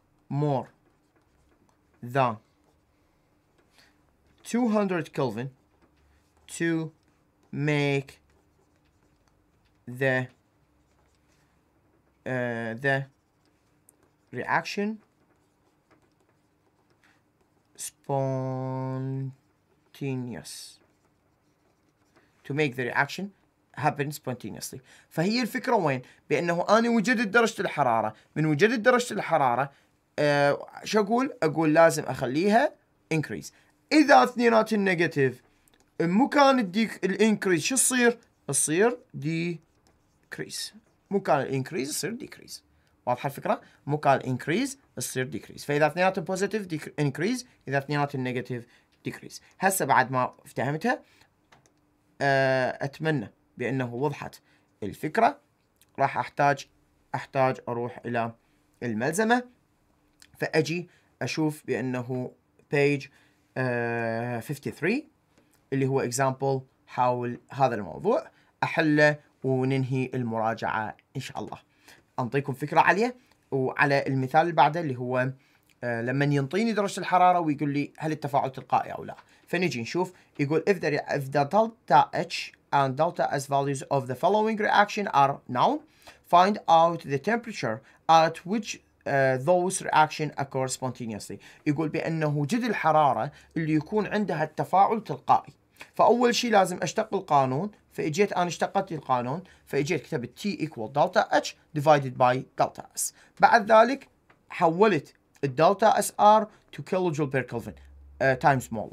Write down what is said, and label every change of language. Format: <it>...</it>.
<en>more than 200 Kelvin to make the reaction spontaneous. To make the reaction happen spontaneously.</en> <ar>فهي الفكرة وين؟ بأنه أنا وجدت درجة الحرارة. من وجدت درجة الحرارة شو أقول؟ أقول لازم أخليها increase. إذا اثنينات النيجاتيف مكان الانكريز شو يصير؟ يصير ديكريز. مكان الانكريز يصير ديكريز. واضحة الفكرة؟ مكان الانكريز يصير ديكريز. فإذا اثنينات البوزيتيف انكريز، إذا اثنينات النيجاتيف ديكريز. هسا بعد ما افتهمتها أتمنى بأنه وضحت الفكرة. راح أحتاج أروح إلى الملزمة فأجي أشوف بأنه page 53 اللي هو example حول هذا الموضوع أحله وننهي المراجعة إن شاء الله. أنطيكم فكرة عالية وعلى المثال بعده اللي هو لما ينطيني درجة الحرارة ويقول لي هل التفاعل تلقائي أو لا. فنجي نشوف يقول</ar> <en>if the delta H and delta S values of the following reaction are known, find out the temperature at which those reaction occur spontaneously.</en> <ar>يقول بأنه جد الحرارة اللي يكون عندها التفاعل تلقائي. فأول شيء لازم أشتق القانون. فإجيت أنا اشتقت القانون. فإجيت كتبت</ar> <en>T equal delta H divided by delta S.</en> <ar>بعد ذلك حولت الدلتا</ar> <en>S R to kilojoule per Kelvin times mole.</en>